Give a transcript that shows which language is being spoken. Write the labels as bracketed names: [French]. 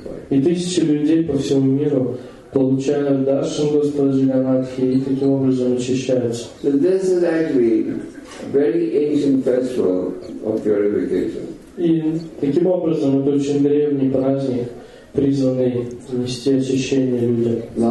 [Russian] И тысячи людей по всему миру получают даршан Господа Джаганатхи и таким образом очищаются. [English] So this is actually a very ancient festival of purification. [Russian] И таким образом это очень древний праздник, призванный нести очищение людям.